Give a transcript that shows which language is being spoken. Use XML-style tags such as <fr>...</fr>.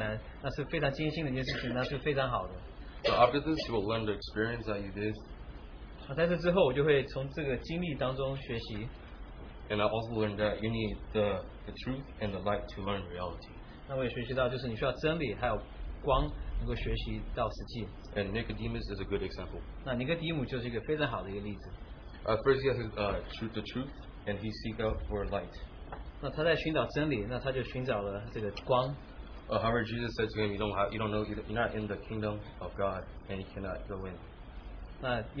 <zh>那我在这边讲话，我觉得有点困难，那是非常艰辛的一件事情，那是非常好的。</zh> <en>So after this, you will learn the experience that you did.</en> <zh>但是之后，我就会从这个经历当中学习。</zh> <en>And I also learned that you need the truth and the light to learn reality.</en> <zh>那我也学习到，就是你需要真理还有光，能够学习到实际。</zh> <en>And Nicodemus is a good example.</en> <zh>那尼哥底母就是一个非常好的一个例子。</zh> <en>First, he has the truth, and he seeks out for light.</en> <zh>那他在寻找真理，那他就寻找了这个光。</zh> <en>However, Jesus said to him, you don't know, you're not in the kingdom of God, and you cannot go in.</en>